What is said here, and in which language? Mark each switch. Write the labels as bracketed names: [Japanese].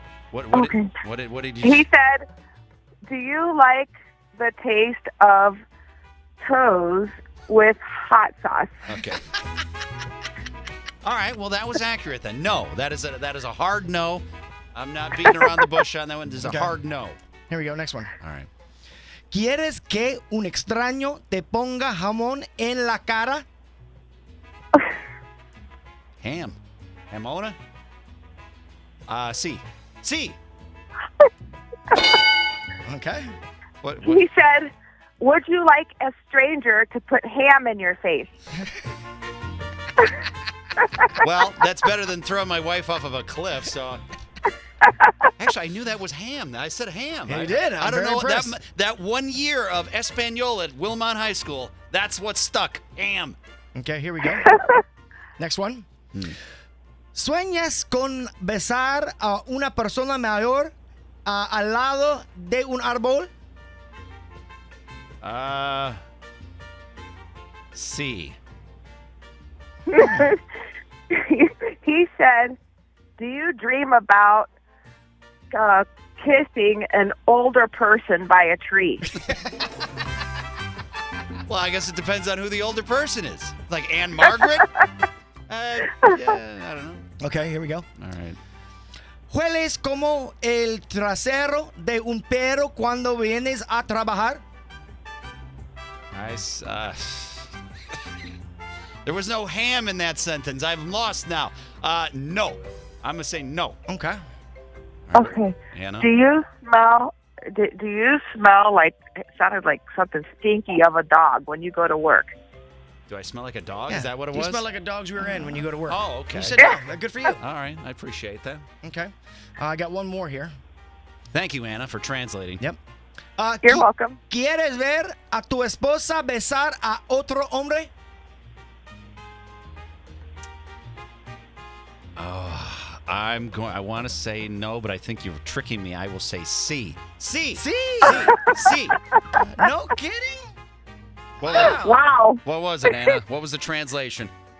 [English] He said, do you like the taste of toes with hot sauce? Okay. All right. Well, that was accurate then. No. That is a hard no. I'm not beating around the bush on that one. This is a hard no. Here we go. Next one. All right. [Spanish] ¿Quieres que un extraño te ponga jamón en la cara? [English] Ham. Hamona? Sí. Sí. Okay. He said, would you like a stranger to put ham in your face? Well, that's better than throwing my wife off of a cliff, so. Actually, I knew that was ham. I said ham. You did. I'm I don't very know. That 1 year of Espanol at Wilmont High School, that's what stuck. Ham. Okay, here we go. Next one. [Spanish] ¿Sueñas con besar a una persona mayor al lado de un árbol? Sí. [English] He said, do you dream about kissing an older person by a tree? Well, I guess it depends on who the older person is. Like Anne Margaret? I don't know. Okay, here we go. All right. [Spanish] ¿Hueles como el trasero de un perro cuando vienes a trabajar? [English] Nice. There was no ham in that sentence. I'm lost now. No. I'm going to say no. Okay. Okay. Anna? Do you smell like, it sounded like something stinky of a dog when you go to work? Do I smell like a dog? Yeah. Is that what it was? You smell like a dog's rear end when you go to work. Oh, okay. You said dog. Yeah. Good for you. All right. I appreciate that. Okay. I got one more here. Thank you, Anna, for translating. Yep. You're welcome. [Spanish] ¿Quieres ver a tu esposa besar a otro hombre? [English] Oh, I want to say no, but I think you're tricking me. I will say sí. [Spanish] Sí. Sí. Sí. Sí. [English] No kidding? Well, wow. What was it, Anna? What was the translation?